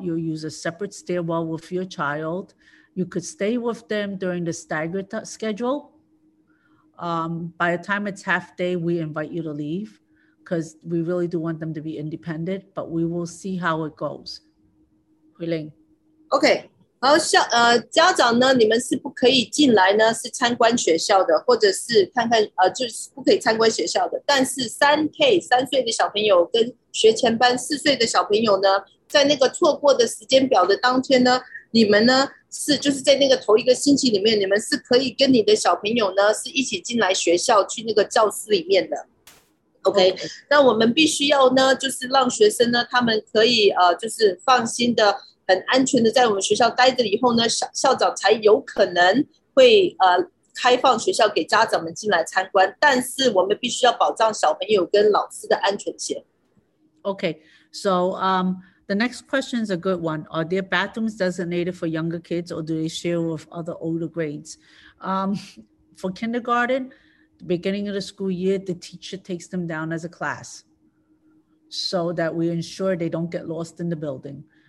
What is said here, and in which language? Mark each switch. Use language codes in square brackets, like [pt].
[en] You'll use a separate stairwell with your child. You could stay with them during the staggered schedule. By the time it's half day, we invite you to leave because we really do want them to be independent, but we will see how it goes. Huiling. Okay. [zh] 好像家长呢，你们是不可以进来呢，是参观学校的，或者是看看就是不可以参观学校的。但是3K 三岁的小朋友跟学前班四岁的小朋友呢，在那个错过的时间表的当天呢，你们呢？是，就是在那个头一个星期里面，你们是可以跟你的小朋友呢，是一起进来学校去那个教室里面的。 Okay. 那我们必须要呢，就是让学生呢，他们可以就是放心的、很安全的在我们学校待着以后呢，校长才有可能会开放学校给家长们进来参观，但是我们必须要保障小朋友跟老师的安全性。 [en] Okay, so the next question is a good one. Are there bathrooms designated for younger kids or do they share with other older grades? For kindergarten, the beginning of the school year, the teacher takes them down as a class so that we ensure they don't get lost in the building.